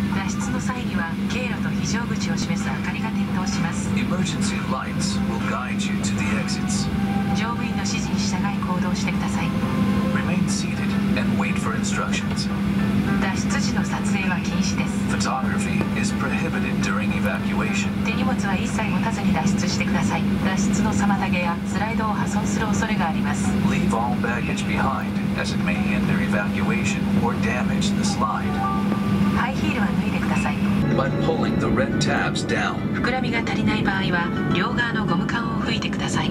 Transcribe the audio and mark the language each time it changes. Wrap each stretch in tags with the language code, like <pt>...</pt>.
<ja>脱出の際には経路と非常口を示す明かりが点灯します。</ja> <en>Emergency lights will guide you to the exits.</en> <ja>乗務員の指示に従い行動してください。</ja> <en>Remain seated and wait for instructions.</en> <ja>脱出時の撮影は禁止です。</ja> <en>Photography is prohibited during evacuation.</en> <ja>手荷物は一切持たずに脱出してください。脱出の妨げやスライドを破損する恐れがあります。</ja> <en>Leave all baggage behind. As it may hinder evacuation or damage the slide.</en> <ja>ハイヒールは脱いでください。</ja> <en>By pulling the red tabs down.</en> <ja>膨らみが足りない場合は両側のゴム管を吹いてください。</ja>